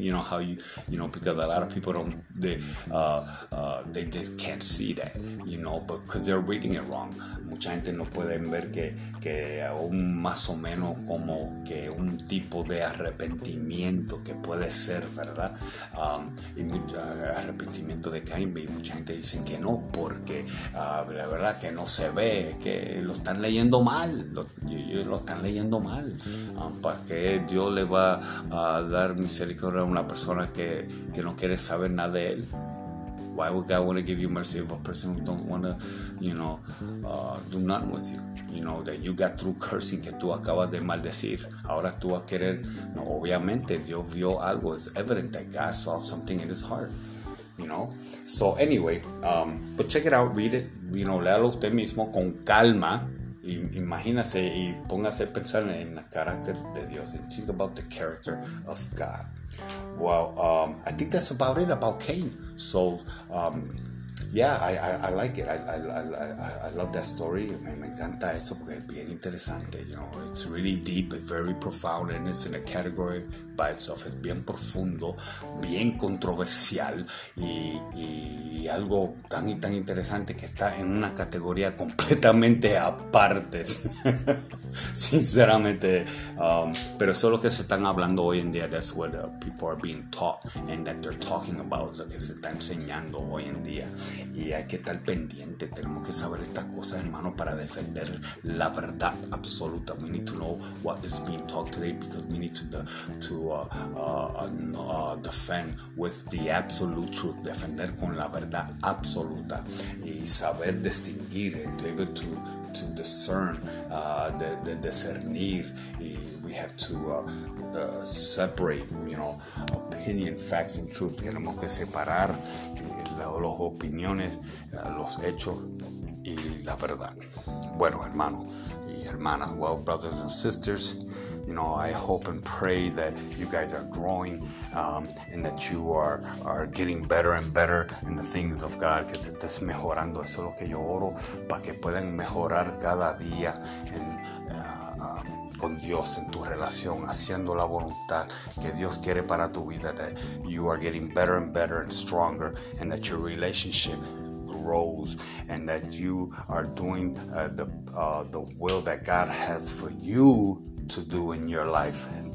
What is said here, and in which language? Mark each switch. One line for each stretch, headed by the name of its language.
English: You know how you know, because a lot of people don't, they just can't see that, you know, because they're reading it wrong.
Spanish: Mucha gente no pueden ver que un más o menos como que un tipo de arrepentimiento que puede ser, ¿verdad? Y mucho arrepentimiento de Caín, y mucha gente dice que no, porque la verdad que no se ve, que lo están leyendo mal, lo están leyendo mal. ¿Para qué Dios le va a dar misericordia a una persona que no quiere saber nada de él?
English: Why would God want to give you mercy of a person who don't want to, you know, do nothing with you? You know, that you got through cursing,
Spanish: que tú acabas de maldecir. Ahora tú vas a querer, no, obviamente Dios vio algo.
English: It's evident that God saw something in his heart, you know. So anyway, but check it out, read it, you know,
Spanish: léalo usted mismo con calma. Imagínese y póngase a pensar en el carácter de Dios.
English: And think about the character of God. Well, I think that's about it about Cain. So, yeah, I like it. I love that story.
Spanish: Me encanta eso porque es bien interesante.
English: You know, it's really deep and very profound, and it's in a category by itself.
Spanish: Es bien profundo, bien controversial, y algo tan y tan interesante que está en una categoría completamente aparte. Sinceramente, pero eso es lo que se están hablando hoy en día.
English: That's what people are being taught and that they're talking about,
Spanish: lo que se está enseñando hoy en día. Y hay que estar pendiente, tenemos que saber estas cosas, hermano, para defender la verdad absoluta.
English: We need to know what is being talked today, because we need to defend with the absolute truth,
Spanish: defender con la verdad absoluta, y saber distinguir,
English: to be able to discern,
Spanish: de discernir,
English: y we have to separate, you know, opinion, facts, and truth.
Spanish: Tenemos que separar las opiniones, los hechos y la verdad. Bueno, hermanos y hermanas,
English: well, brothers and sisters, you know, I hope and pray that you guys are growing, and that you are getting better and better in the things of God,
Spanish: que te estés mejorando. Eso es lo que yo oro, para que puedan mejorar cada día en con Dios, en tu relación, haciendo la voluntad que Dios quiere para tu vida,
English: that you are getting better and better and stronger, and that your relationship grows, and that you are doing the will that God has for you to do in your life,